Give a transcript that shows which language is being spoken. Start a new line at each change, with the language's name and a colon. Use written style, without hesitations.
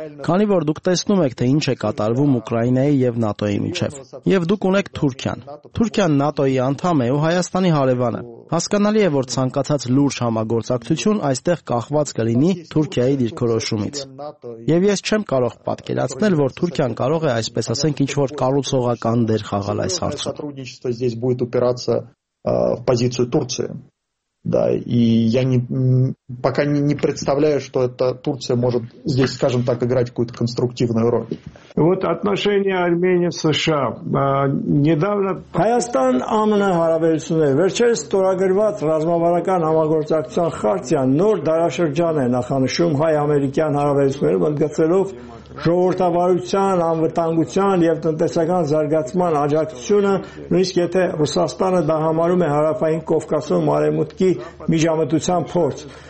Armenian: քանի որ դուք տեսնում եք, թե ինչ է կատարվում Ուկրաինայի և ՆԱՏՕ-ի միջև, և դուք ունեք Թուրքիան։ Թուրքիան ՆԱՏՕ-ի անդամ է ու Հայաստանի հարևանը։ Հասկանալի է, որ ցանկացած լուրջ համագործակցություն այստեղ կախված կլինի Թուրքիայի դիրքորոշումից, և ես չեմ կարող պատկերացնել, որ Թուրքիան կարող է, այսպես ասենք, ինչ-որ կառուցողական դեր խաղալ այս հարցում.
Russian: Сотрудничество здесь будет упираться в позицию Турции. Да, и я не пока не представляю, что это Турция может здесь, скажем так, играть какую-то конструктивную роль. Вот отношения Армении с США. Недавно
Armenian: Հայաստան ԱՄՆ հարաբերությունները վերջերս ստորագրված ռազմավարական համագործակցության խարտիա նոր դարաշրջան է նախանշում հայ-ամերիկյան հարաբերությունները, մտցելով ժողովրդավարության, անվտանգության և տնտեսական զարգացման աջակցությունը, նույնիսկ եթե Ռուսաստանը դա համարում է Հարավային Կովկասում արևմուտքի միջամտության փորձ,